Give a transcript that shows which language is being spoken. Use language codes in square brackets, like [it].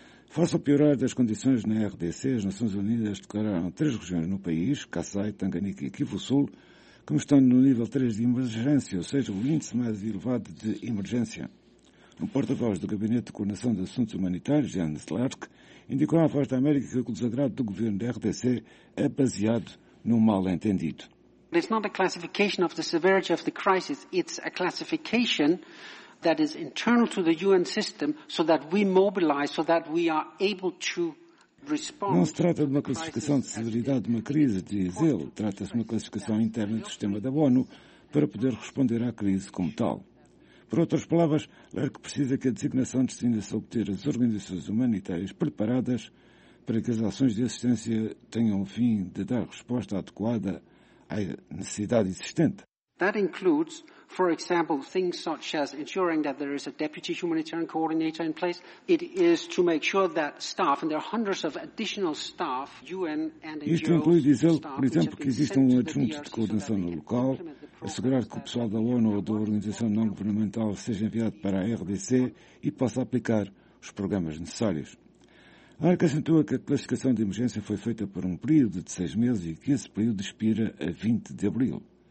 [pt] Face ao piorar das condições na RDC, as Nações Unidas declararam três regiões no país, Kasai, Tanganyika e Kivu Sul, como estão no nível 3 de emergência, ou seja, o índice mais elevado de emergência. Um porta-voz do Gabinete de Coordenação de Assuntos Humanitários, Jan Slark, indicou à Voz da América que o desagrado do governo da RDC é baseado num mal-entendido. [en] It's not a classification of the severity of the crisis, it's a classification that is internal to the UN system so that we mobilize, so that we are able to respond. [pt] Não se trata de uma classificação de severidade de uma crise, diz ele. Trata-se de uma classificação interna do sistema da ONU para poder responder à crise como tal. Por outras palavras, Lerck precisa que a designação destine-se a obter as organizações humanitárias preparadas para que as ações de assistência tenham o fim de dar resposta adequada à necessidade existente. [en] That includes, for example, things such as ensuring that there is a deputy humanitarian coordinator in place. It is to make sure that staff, and there are hundreds of additional staff, UN and NGOs. [pt] Isto inclui, diz ele, por exemplo, que existe um adjunto de coordenação no local, assegurar que o pessoal da ONU ou da organização não-governamental seja enviado para a RDC e possa aplicar os programas necessários. A ARC acentua que a classificação de emergência foi feita por um período de 6 meses e que esse período expira a 20 de abril.